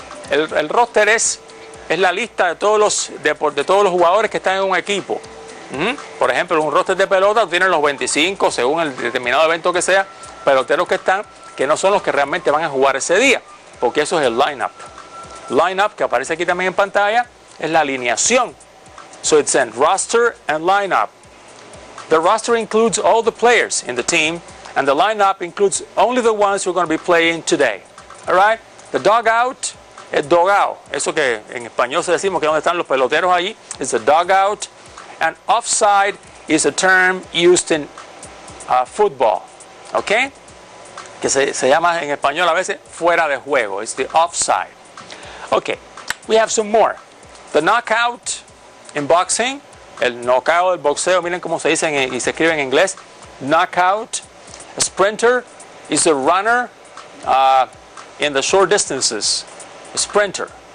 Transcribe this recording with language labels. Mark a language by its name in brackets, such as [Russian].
[Spanish] El roster es la lista de todos los jugadores que están en un equipo. Por ejemplo, un roster de pelota tiene los 25 según el determinado evento que sea, peloteros que están, que no son los que realmente van a jugar ese día, porque eso es el lineup. Lineup, que aparece aquí también en pantalla, es la alineación. [English] So it's in roster and lineup. The roster includes all the players in the team. And the lineup includes only the ones who are going to be playing today. All right? [Spanish] The dugout, el dogao. Eso que en español se decimos que donde están los peloteros ahí, [English] is the dugout. And offside is a term used in football. Okay? [Spanish] Que se llama en español a veces fuera de juego. [English] It's the offside. Okay. We have some more. The knockout in boxing. [Spanish] El knockout, el boxeo. Miren cómo se dice y se escribe en inglés. [English] Knockout. A sprinter is a runner in the short distances, a sprinter.